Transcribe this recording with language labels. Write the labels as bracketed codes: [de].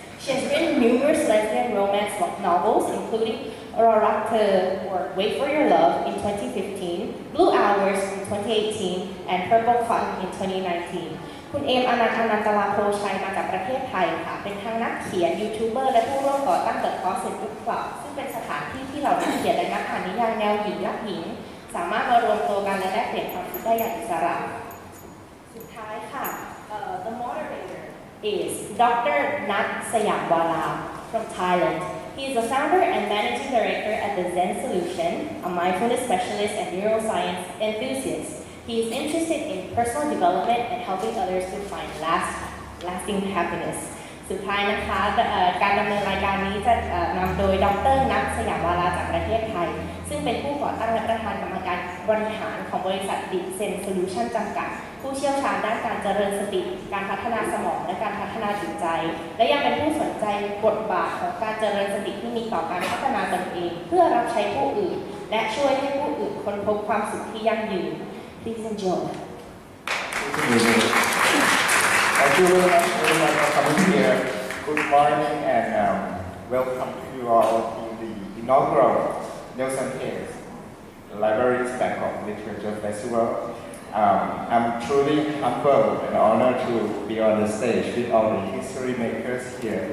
[en] She has written numerous lesbian romance novels, including Rorakta or Wait for Your Love in 2015, Blue Hours in 2018, and Purple Cotton in 2019. [th] คุณเอมอนันตลาโพชัยมาจากประเทศไทยค่ะเป็นทั้งนักเขียนยูทูบเบอร์และผู้ร่วมก่อตั้ง The Closet Book Club ซึ่งเป็นสถานที่ที่เหล่านักเขียนและนักอ่านนิยายแนวหญิงและหญิง สามารถมารวมตัวกันและแลกเปลี่ยนความคิดได้อย่างอิสระสุดท้ายค่ะ [en] The moderator is Dr.Natch [th] สยามวาลา [en] from Thailand. He is the founder and managing director at the Zen Solution, a mindfulness specialist and neuroscience enthusiast. He is interested in personal development and helping others to find lasting happiness. [th] สุดท้ายนะคะการดำเนินรายการนี้จะนำโดยดร. ณัฐสยามวาลาจากประเทศไทยซึ่งเป็นผู้ก่อตั้งและประธานกรรมการบริหารของบริษัทดิเซนโซลูชั่นจำกัดผู้เชี่ยวชาญด้านการเจริญสติการพัฒนาสมองและการพัฒนาจิตใจและยังเป็นผู้สนใจบทบาทของการเจริญสติที่มีต่อการพัฒนาตนเองเพื่อรับใช้ผู้อื่นและช่วยให้ผู้อื่นค้นพบความสุขที่ยั่งยืน [en] Please enjoy. Thank you very much for coming here. Good morning and welcome to you all in the inaugural Neilson Cares Libraries Bangkok Literature Festival. I'm truly humbled and honored to be on the stage with all the history makers here.